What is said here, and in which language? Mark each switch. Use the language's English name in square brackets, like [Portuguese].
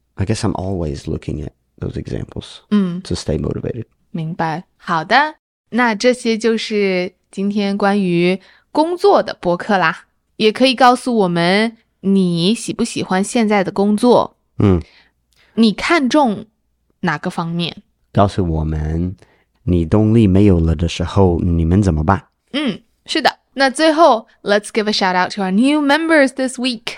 [English] ，I guess I'm always looking at those examples. 嗯，to stay motivated. [Chinese] 明白。好的，那这些就是今天关于工作的播客啦，也可以告诉我们你喜不喜欢现在的工作。嗯，你看重哪个方面？告诉我们你动力没有了的时候你们怎么办。嗯，是的。那最后 [English] Let's give a shout out to our new members this week.